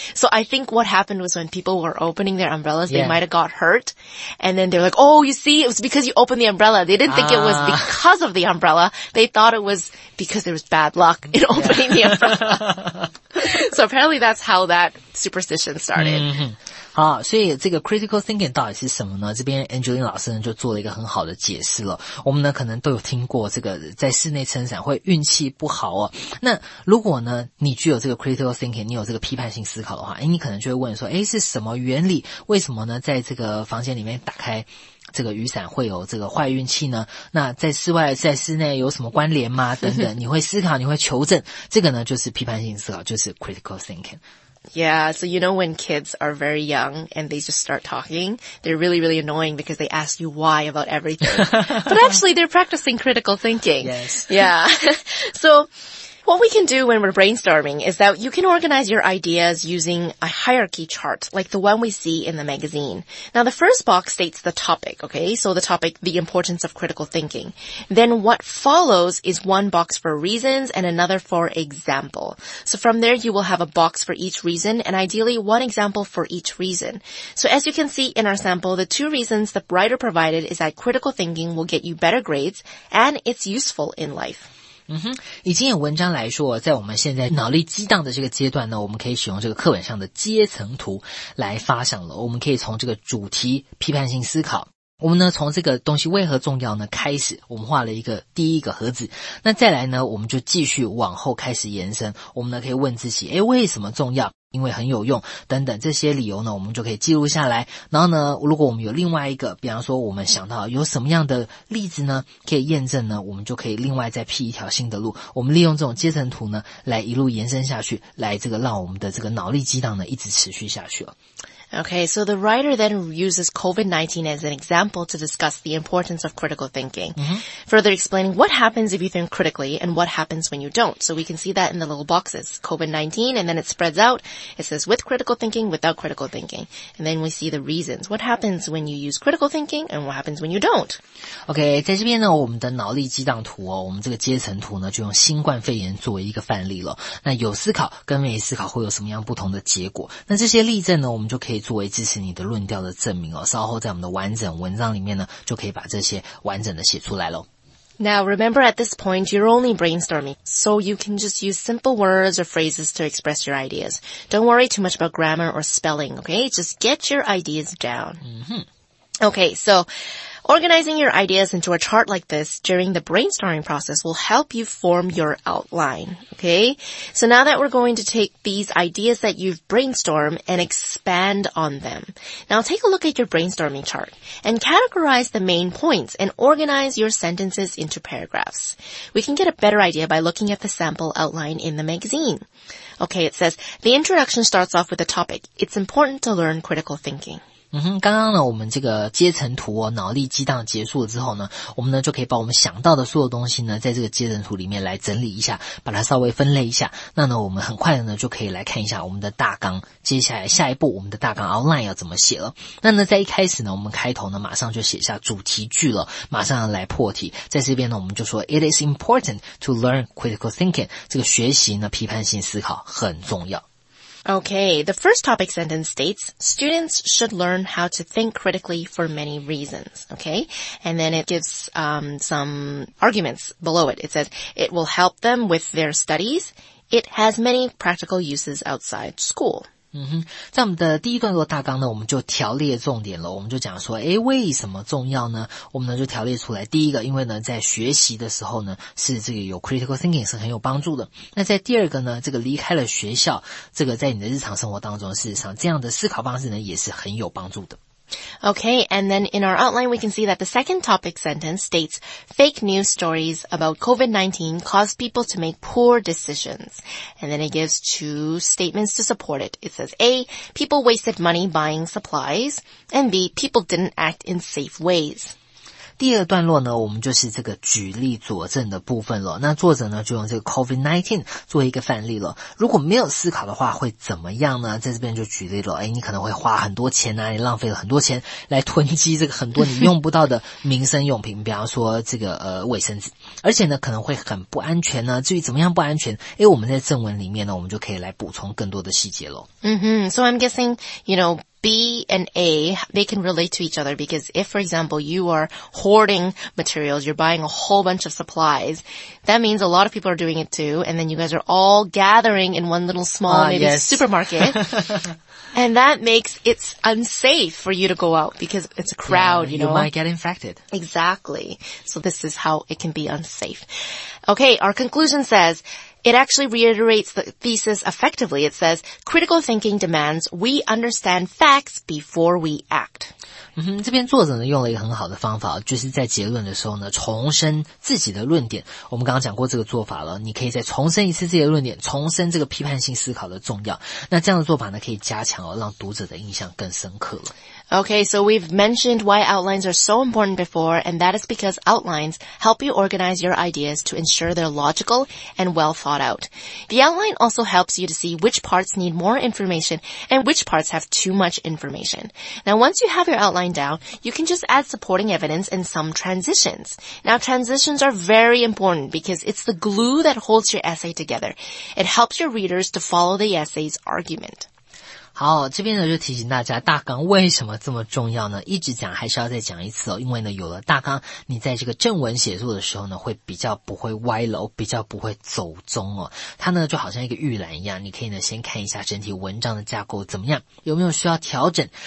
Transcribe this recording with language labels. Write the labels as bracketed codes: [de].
[en] So I think what happened was when people were opening their umbrellas, yeah. they might have got hurt. And then they're like, oh, you see, it was because you opened the umbrella. They didn't think it was because of the umbrella. They thought it was because there was bad luck in opening the umbrella. So apparently that's how that superstition started. Mm-hmm. [zh] 好，所以这个 critical thinking 到底是什么呢？这边 Angeline 老师呢就做了一个很好的解释了。我们呢可能都有听过这个在室内撑伞会运气不好哦。那如果呢你具有这个 critical thinking， 你有这个批判性思考的话，你可能就会问说，诶，是什么原理？为什么呢在这个房间里面打开这个雨伞会有这个坏运气呢？那在室外在室内有什么关联吗？等等，你会思考，你会求证，这个呢就是批判性思考，就是 critical thinking。 [en] Yeah, so you know when kids are very young and they just start talking, they're really, really annoying because they ask you why about everything. But actually, they're practicing critical thinking. Yes. Yeah. So what we can do when we're brainstorming is that you can organize your ideas using a hierarchy chart, like the one we see in the magazine. Now, the first box states the topic, okay? So the topic, the importance of critical thinking. Then what follows is one box for reasons and another for example. So from there, you will have a box for each reason and ideally one example for each reason. So as you can see in our sample, the two reasons the writer provided is that critical thinking will get you better grades and it's useful in life. [zh] 嗯哼，以经验文章来说，在我们现在脑力激荡的这个阶段呢，我们可以使用这个课本上的阶层图来发想了。我们可以从这个主题批判性思考，我们呢从这个东西为何重要呢开始，我们画了一个第一个盒子。那再来呢，我们就继续往后开始延伸，我们呢可以问自己，诶，为什么重要？因为很有用等等，这些理由呢我们就可以记录下来。然后呢如果我们有另外一个，比方说我们想到有什么样的例子呢可以验证呢，我们就可以另外再辟一条新的路。我们利用这种阶层图呢来一路延伸下去，来这个让我们的这个脑力激荡呢一直持续下去了。 [en] Okay, so the writer then uses COVID-19 as an example to discuss the importance of critical thinking. Mm-hmm. Further explaining what happens if you think critically and what happens when you don't. So we can see that in the little boxes, COVID-19, and then it spreads out. It says with critical thinking, without critical thinking. And then we see the reasons. What happens when you use critical thinking and what happens when you don't? [zh] Okay, 在这边呢我们的脑力激荡图哦，我们这个阶层图呢就用新冠肺炎作为一个范例了。那有思考跟没思考会有什么样不同的结果？那这些例证呢我们就可以作为支持你的论调的证明哦，稍后在我们的完整文章里面呢，就可以把这些完整的写出来喽。 [en] Now, remember at this point, you're only brainstorming, so you can just use simple words or phrases to express your ideas. Don't worry too much about grammar or spelling, okay? Just get your ideas down. Mm-hmm. Okay, so Organizing your ideas into a chart like this during the brainstorming process will help you form your outline, okay? So now that we're going to take these ideas that you've brainstormed and expand on them. Now take a look at your brainstorming chart and categorize the main points and organize your sentences into paragraphs. We can get a better idea by looking at the sample outline in the magazine. Okay, it says, the introduction starts off with a topic. It's important to learn critical thinking. [zh] 嗯、刚刚呢我们这个阶层图、哦、脑力激荡结束了之后呢我们呢就可以把我们想到的所有东西呢在这个阶层图里面来整理一下把它稍微分类一下那呢我们很快的呢就可以来看一下我们的大纲接下来下一步我们的大纲 outline 要怎么写了那呢在一开始呢我们开头呢马上就写下主题句了马上要来破题在这边呢我们就说 [en] It is important to learn critical thinking [zh] 这个学习呢批判性思考很重要 [en] Okay, the first topic sentence states, students should learn how to think critically for many reasons, okay? And then it gives, some arguments below it. It says, it will help them with their studies. It has many practical uses outside school. [zh] 嗯哼，在我们的第一段落大纲呢，我们就条列重点了。我们就讲说，诶，为什么重要呢？我们呢就条列出来。第一个，因为呢，在学习的时候呢，是这个有 critical thinking 是很有帮助的。那在第二个呢，这个离开了学校，这个在你的日常生活当中，事实上这样的思考方式呢，也是很有帮助的。 [en] Okay, and then in our outline, we can see that the second topic sentence states, fake news stories about COVID-19 cause people to make poor decisions. And then it gives two statements to support it. It says, A, people wasted money buying supplies, and B, people didn't act in safe ways. [zh] 第二段落呢我们就是这个举例佐证的部分了那作者呢就用这个 COVID-19 做一个范例了如果没有思考的话会怎么样呢在这边就举例了诶你可能会花很多钱啊你浪费了很多钱来囤积这个很多你用不到的民生用品比方说这个卫生纸而且呢可能会很不安全呢至于怎么样不安全诶我们在正文里面呢我们就可以来补充更多的细节了、 mm-hmm. [en] So I'm guessing, you know,B and A, they can relate to each other because if, for example, you are hoarding materials, you're buying a whole bunch of supplies, that means a lot of people are doing it too, and then you guys are all gathering in one little small, maybe yes. supermarket. And that makes it unsafe for you to go out because it's a crowd, yeah, you know. You might get infected. Exactly. So this is how it can be unsafe. Okay, our conclusion says... It actually reiterates the thesis effectively. It says, critical thinking demands we understand facts before we act. [zh] 嗯哼，这边作者呢用了一个很好的方法，就是在结论的时候呢重申自己的论点。我们刚刚讲过这个做法了，你可以再重申一次自己的论点，重申这个批判性思考的重要。那这样的做法呢，可以加强哦，让读者的印象更深刻了。 [en] Okay, so we've mentioned why outlines are so important before, and that is because outlines help you organize your ideas to ensure they're logical and well thought out. The outline also helps you to see which parts need more information and which parts have too much information. Now, once you have your outline. Line down, you can just add supporting evidence and some transitions. Now, transitions are very important because it's the glue that holds your essay together. It helps your readers to follow the essay's argument. [zh] 好，这边呢就提醒大家，大纲为什么这么重要呢？一直讲还是要再讲一次哦，因为呢有了大纲，你在这个正文写作的时候呢，会比较不会歪楼，比较不会走中哦。它呢就好像一个预览一样，你可以呢先看一下整体文章的架构怎么样，有没有需要调整。